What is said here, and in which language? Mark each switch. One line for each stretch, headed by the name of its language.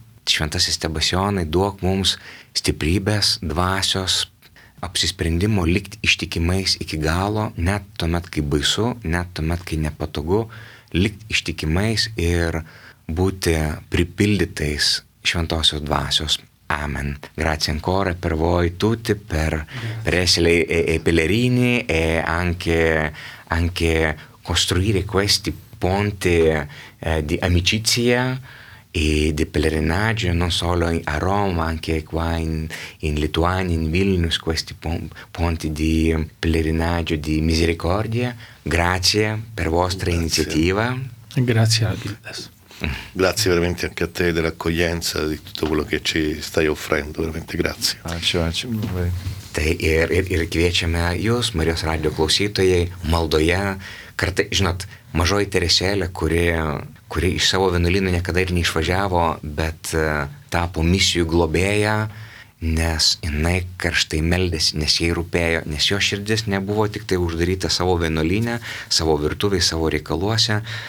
Lithuanian: Šventasis Sebastijonai, duok mums stiprybės, dvasios, apsisprendimo likti ištikimais iki galo, net tuomet, kai baisu, net tuomet, kai nepatogu, likti ištikimais ir būti pripildytais šventosios dvasios. Amen.
Italian: Grazie ancora per voi tutti, per essere e pellerini e anche costruire questi ponti di amicizia e di pellerinaggio, non solo a Roma, anche qua in Lituania, in Vilnius, questi ponti di pellerinaggio, di misericordia. Grazie per vostra grazie. Iniziativa. Grazie a Gildas. Grazie veramente anche a te dell'accoglienza di tutto quello che ci stai offrendo, veramente grazie.
Lithuanian: Tai ir kviečiame jūs, Marijos radio klausytojai, maldoje, kartai, žinot, mažoji Teresėlė, kuri iš savo vienuolyno niekada ir neišvažiavo, bet tapo misijų globėja, nes jinai karštai meldėsi, nes jai rūpėjo, nes jo širdis nebuvo tik tai uždaryta savo vienuolyne, savo virtuvėje, savo reikaluose.